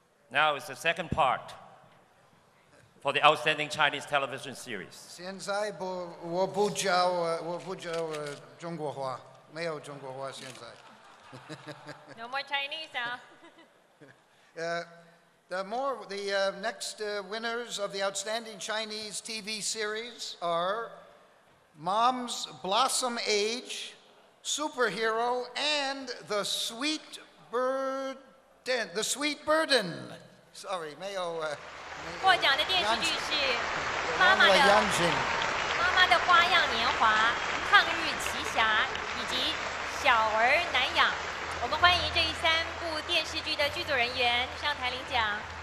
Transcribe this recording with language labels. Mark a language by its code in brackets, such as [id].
[en] Now is the second part for the outstanding Chinese television series. [zh] 现在不，我不教，我不教中国话，没有中国话现在。 [en] No more Chinese now. The next winners of the outstanding Chinese TV series are Mom's Blossom Age, Superhero, and The Sweet Burden. The Sweet Burden. Sorry, [zh] 没有。获奖的电视剧是《妈妈的妈妈的花样年华》《抗日奇侠》以及《小儿难养》。我们欢迎这三部电视剧的剧组人员上台领奖。